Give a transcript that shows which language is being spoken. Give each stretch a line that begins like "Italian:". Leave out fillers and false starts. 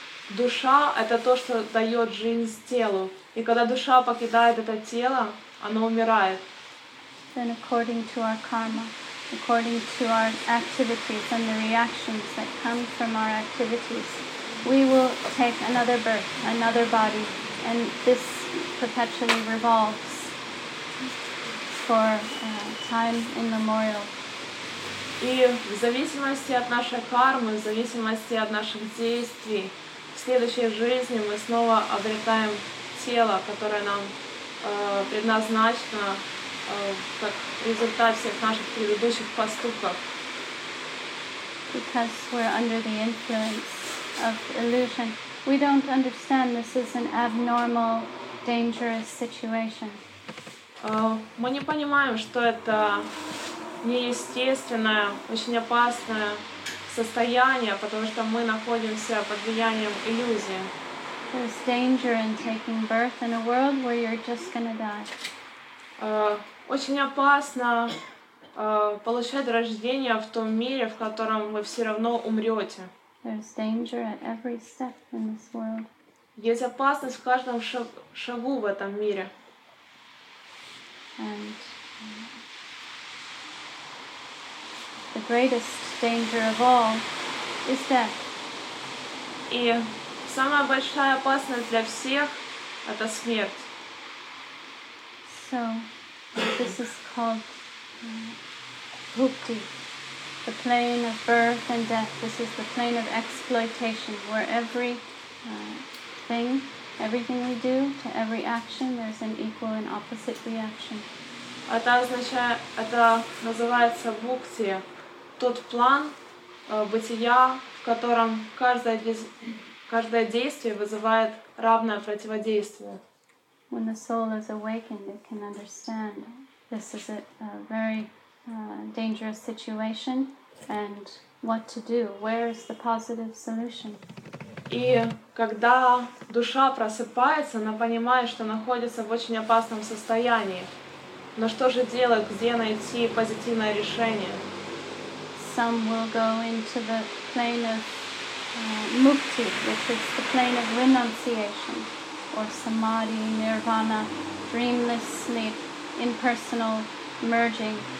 Russian: Душа — это то, что дает жизнь телу. И когда душа покидает это тело, оно умирает.
English: Then according to our karma, according to our activities and the reactions that come from our activities, we will take another birth, another body, and this perpetually revolves for time immemorial.
Russian: И в зависимости от нашей кармы, в зависимости от наших действий, в следующей жизни мы снова обретаем тело, которое нам предназначено как результат всех наших предыдущих поступков.
English: Because we're under the influence of illusion, we don't understand this is an abnormal, dangerous situation.
Russian: Мы не понимаем, что это неестественное, очень опасное состояние, потому что мы находимся под влиянием иллюзии.
English: There's danger in taking birth in a world where you're just gonna die.
Russian: Очень опасно получать рождение в том мире, в котором вы все равно умрете.
English: There's danger at every step in this world.
Russian: Есть опасность в каждом шагу в этом мире.
English: And the greatest danger of all is death.
Russian: И самая большая опасность для всех — это смерть.
English: So, this is called bhukti, the plane of birth and death. This is the plane of exploitation, where every thing, everything we do, to every action, there's an equal and opposite reaction.
Russian: Это называется бхукти. Тот план бытия, в котором каждое действие вызывает равное противодействие.
English: When the soul is awakened, it can understand this is a very dangerous situation and what to do. Where is the positive solution?
Russian: И когда душа просыпается, она понимает, что находится в очень опасном состоянии. Но что же делать? Где найти позитивное решение?
English: Some will go into the plane of mukti, which is the plane of renunciation, or samadhi, nirvana, dreamless sleep, impersonal merging.